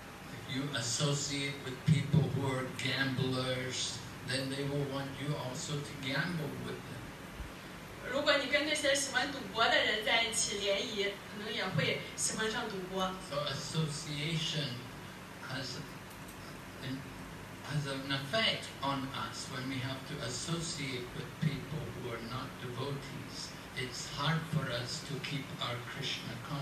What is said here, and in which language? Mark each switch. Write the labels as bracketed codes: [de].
[en] If you associate with people who are gamblers, then they will want you also to gamble with them. [zh] 如果你跟那些喜欢赌博的人在一起联谊，可能也会喜欢上赌博。 [en] So association has an effect on us when we have to associate with people who are not devotees. It's hard for us to keep our Krishna